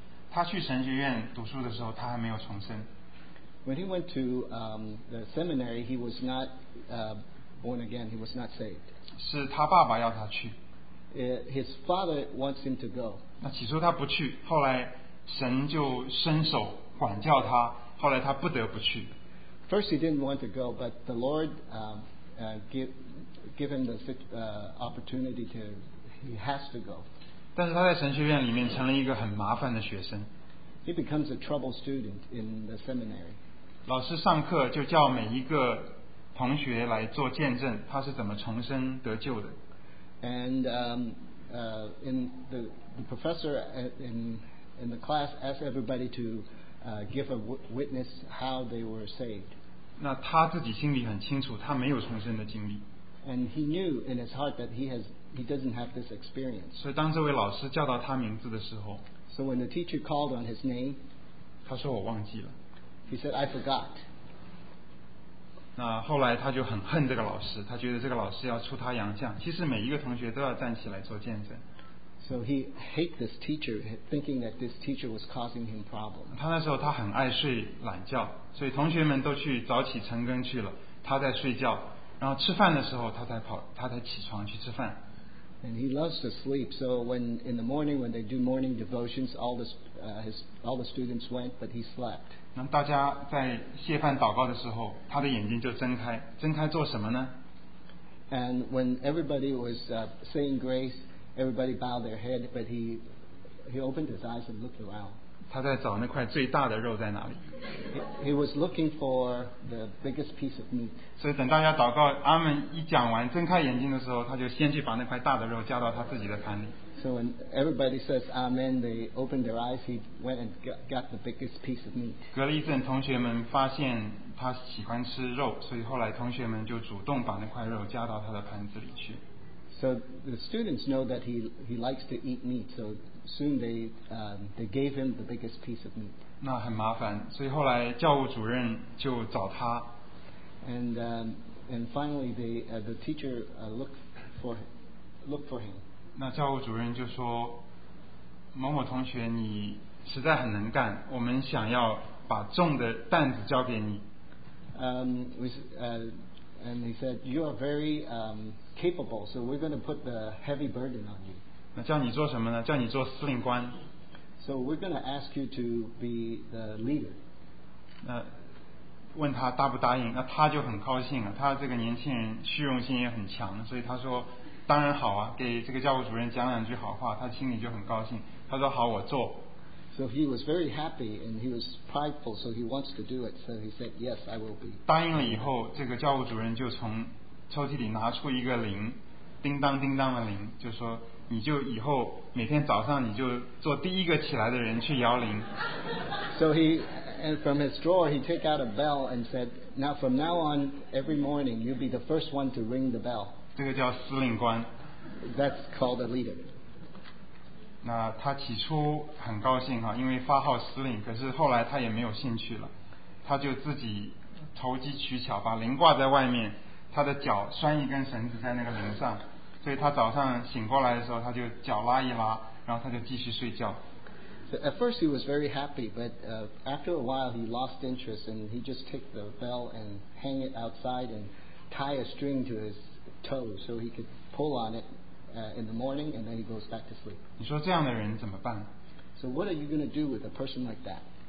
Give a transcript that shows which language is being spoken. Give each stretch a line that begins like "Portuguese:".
Chinese: 他去神学院读书的时候，他还没有重生。
English: When he went to the seminary, he was not born again. He was not saved.
Chinese: 是他爸爸要他去。
English: His father wants him to go.
Chinese: 那起初他不去，后来神就伸手管教他，后来他不得不去。
English: First he didn't want to go, but the Lord give him the opportunity to. He has to go.
Chinese: 但是他在神学院里面成了一个很麻烦的学生。
English: He becomes a trouble student in the seminary.
Chinese: 老师上课就叫每一个同学来做见证，他是怎么重生得救的。
English: And in the professor in the class asked everybody to give a witness how they were saved.
Chinese: 那他自己心里很清楚，他没有重生的经历。
English: And he knew in his heart that he doesn't have this experience.
Chinese: 所以当这位老师叫到他名字的时候
English: ，So when the teacher called on his name,
Chinese: 他说我忘记了。
English: He said, I forgot.
Chinese: 那后来他就很恨这个老师，他觉得这个老师要出他洋相。其实每一个同学都要站起来做见证。
English: So he hated this teacher, thinking that this teacher was causing him problems.
Chinese: 他那时候他很爱睡懒觉，所以同学们都去早起晨更去了，他在睡觉。然后吃饭的时候，他才起床去吃饭。
English: And he loves to sleep, so when in the morning when they do morning devotions, all the students went, but he slept.
Chinese: 那大家在谢饭祷告的时候，他的眼睛就睁开，睁开做什么呢
English: ？And when everybody was saying grace, everybody bowed their head, but he opened his eyes and looked around.
Chinese: 他在找那块最大的肉在哪里
English: ？He was looking for the biggest piece of meat.
Chinese: 所以等大家祷告阿们一讲完，睁开眼睛的时候，他就先去把那块大的肉夹到他自己的盘里。
English: So when everybody says Amen, they opened their eyes. He went and got the biggest piece of meat.
Chinese: 隔了一阵，同学们发现他喜欢吃肉，所以后来同学们就主动把那块肉夹到他的盘子里去。
English: So the students know that he likes to eat meat. So soon they gave him the biggest piece of meat.
Chinese: 那很麻烦，所以后来教务主任就找他。
English: And finally the teacher looked for him.
Chinese: 那教务主任就说某某同学你实在很能干，我们想要把重的担子交给你。
English: And he said, you are very capable, so we're going to put the heavy burden on you.
Chinese: 那叫你做什么呢？叫你做司令官。
English: So we're going to ask you to be the leader.
Chinese: 那问他答不答应，那他就很高兴了，他这个年轻人虚荣心也很强，所以他说当然好啊，给这个教务主任讲两句好话，他心里就很高兴。他说好，我做。
English: So he was very happy and he was prideful, so he wants to do it. So he said, "Yes, I will be."
Chinese: 答应了以后，这个教务主任就从抽屉里拿出一个铃，叮当叮当的铃，就说你就以后每天早上你就做第一个起来的人去摇铃。
English: So he, and from his drawer, he took out a bell and said, "Now from now on, every morning, you'll be the first one to ring the bell."
Chinese: 这个叫司令官。
English: That's called a leader.
Chinese: 那他起初很高兴哈，因为发号司令，可是后来他也没有兴趣了，他就自己投机取巧，把铃挂在外面，他的脚拴一根绳子在那个铃上，所以他早上醒过来的时候，他就脚拉一拉，然后他就继续睡觉。
English: So at first he was very happy, but after a while he lost interest and he just took the bell and hang it outside and tie a string to his toe so he could pull on it in the morning and then he goes back to sleep.
Chinese: 你说这样的人怎么办？
English: So what are you going to do with a person like that?